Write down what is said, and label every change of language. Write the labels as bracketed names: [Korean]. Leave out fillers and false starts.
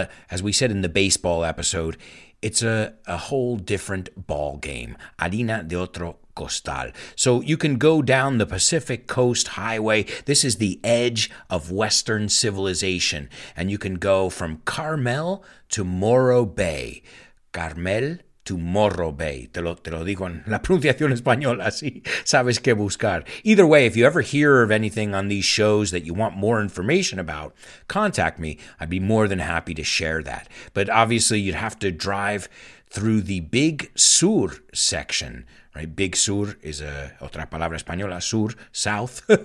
[English] As we said in the baseball episode, it's a whole different ball game. [Spanish] Harina de otro costal. [English] So you can go down the Pacific Coast Highway. This is the edge of Western civilization. And you can go from Carmel to Morro Bay. Carmel to Morro Bay. [Spanish] Te lo digo en la pronunciación española, sí. Sabes qué buscar. [English] Either way, if you ever hear of anything on these shows that you want more information about, contact me. I'd be more than happy to share that. But obviously, you'd have to drive through the Big Sur section. Right? Big Sur is [Spanish] otra palabra española, [English] sur, south.